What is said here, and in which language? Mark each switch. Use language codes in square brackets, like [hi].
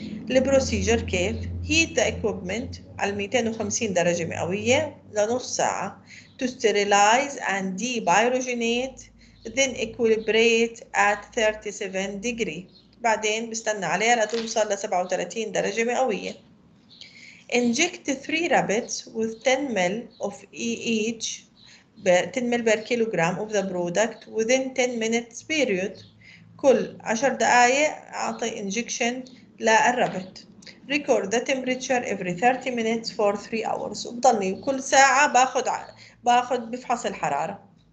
[en] البروسيجر كيف؟ Heat the equipment [ar] على 250 درجه مئويه لنص ساعه [en] to sterilise and depyrogenate, then equilibrate at 37 degree، [ar] بعدين بستنى عليها لتوصل ل 37 درجة مئوية. [en] Inject 3 rabbits with 10 ml of each 10 ml per kilogram of the product within 10 minutes period. [ar] كل 10 دقائق أعطي injection للرابت. [en] Record the temperature every 30 minutes for 3 hours. [ar] وبضلني كل ساعة باخذ بفحص الحرارة.